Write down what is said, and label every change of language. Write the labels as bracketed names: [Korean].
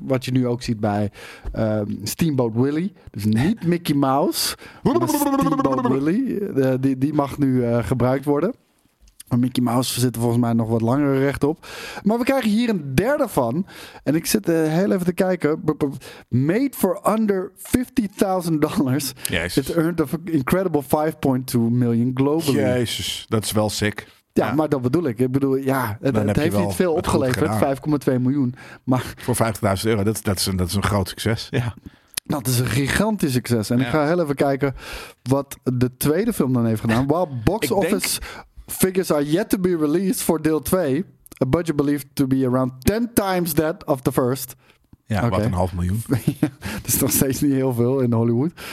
[Dutch] Wat je nu ook ziet bij Steamboat Willie. Dus niet Mickey Mouse, maar Steamboat Willie. Die mag nu gebruikt worden. Maar Mickey Mouse zit er volgens mij nog wat langer recht op. Maar we krijgen hier een derde van. En ik zit heel even te kijken. [English] Made for under $50,000. [Dutch] Jezus. [English] It earned an incredible 5.2 million globally. [Dutch] Jezus, dat is wel sick. Ja, maar dat bedoel ik. Ik bedoel, ja, het heeft niet veel opgeleverd. 5,2 miljoen. Maar voor 50.000 euro, dat is een groot succes. Ja. Dat is een gigantisch succes. En ik ga heel even kijken wat de tweede film dan heeft gedaan. [English] Wow, box office... Figures are yet to be released for deel 2. A budget believed to be around 10 times that of the first. [Dutch] Ja, okay. Wat een 500.000. Dat is nog steeds niet heel veel in Hollywood.